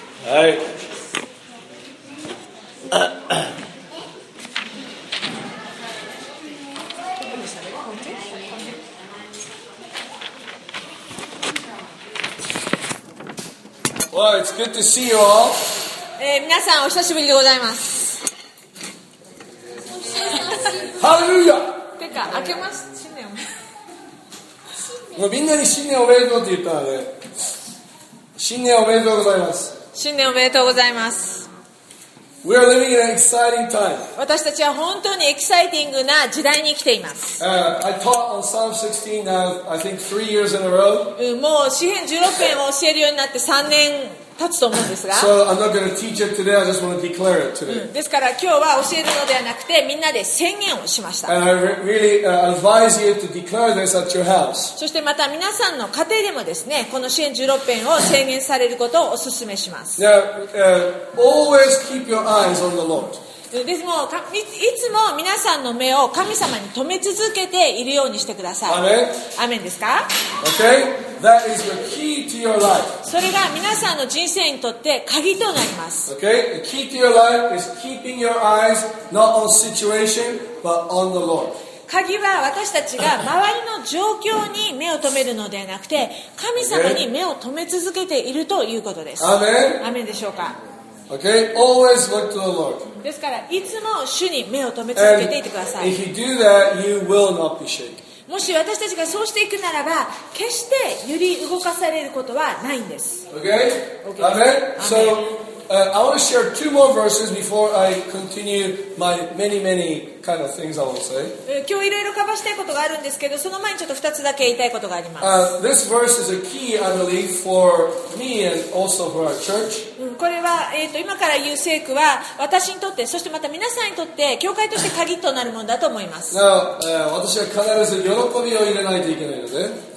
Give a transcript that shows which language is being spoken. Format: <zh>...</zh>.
<en>はい、well, it's good to see you all.</en> <ja>皆さんお久しぶりでございます。ハレルヤ。てか明けます新年もうみんなに新年おめでとうって言ったので、新年おめでとうございます。新年おめでとうございます。</ja> <en>We are living in an exciting time.</en> <ja>私たちは本当にエキサイティングな時代に生きています。</ja> <en>I taught on Psalm 16 now, I think 3 years in a row.</en> <ja>もう詩編16編を教えるようになって3年経つと思うんですが、</ja> <en>So I'm not going to teach it today, I just want to declare it today.</en> <ja>ですから今日は教えるのではなくてみんなで宣言をしました。</ja> <en>And I really advise you to declare this at your house.</en> <ja>そしてまた皆さんの家庭でもですね、この詩編16編を宣言されることをお勧めします。</ja> <en>Now, always keep your eyes on the Lord.</en> <ja>でもいつも皆さんの目を神様に留め続けているようにしてください。</ja> <en>Amen.</en> <ja>アメンですか。</ja> <en>Okay. That is the key to your life.</en> <ja>それが皆さんの人生にとって鍵となります。</ja> <en>Okay? The key to your life is keeping your eyes not on situation, but on the Lord.</en> <ja>鍵は私たちが周りの状況に目を留めるのではなくて、神様に目を留め続けているということです。</ja> <en>Amen?</en> <ja>Amen でしょうか。</ja> <en>Okay? Always look to the Lord.</en> <ja>ですから、いつも主に目を留め続けていてください。</ja> <en>And if you do that, you will not be shaken.</en> <ja>もし私たちがそうしていくならば、決して揺り動かされることはないんです。</ja> <en>Okay? Okay. Amen. Amen. So, I want to share two more verses before I continue my many, many kind of things I want to say.</en> <ja>今日いろいろカバーしたいことがあるんですけど、その前にちょっと2つだけ言いたいことがあります。</ja> <en>This verse is a key, I believe, for me and also for our church.</en> <ja>これは、今から言う聖句は、私にとって、そしてまた皆さんにとって、教会として鍵となるものだと思います。 Now, 私は必ず喜びを入れないといけないので。</ja>